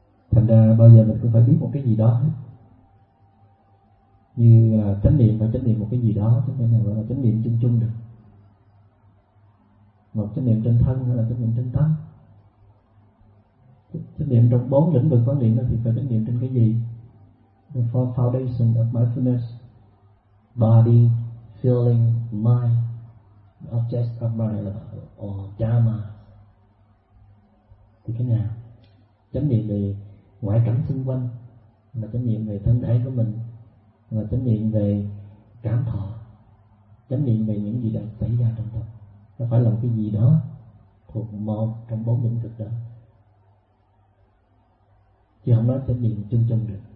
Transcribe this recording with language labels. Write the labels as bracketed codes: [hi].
[vi] Thành ra bao giờ mình cũng phải biết một cái gì đó hết. Như chánh niệm, phải chánh niệm một cái gì đó, chứ không thể nào gọi là chánh niệm chung chung được. chánh niệm trên thân hay là chánh niệm trên tâm? Chánh niệm trong bốn lĩnh vực quán niệm thì phải chánh niệm trên cái gì? [en] The four foundations of mindfulness: body, feeling, mind, objects of body or dharma. [vi] Thì cái nào? Chánh niệm về ngoại cảnh xung quanh, là chánh niệm về thân thể của mình, là chánh niệm về cảm thọ, chánh niệm về những gì đã xảy ra trong tâm. Nó phải là một cái gì đó thuộc một trong bốn lĩnh vực đó, chứ không nói chánh niệm chung chung được.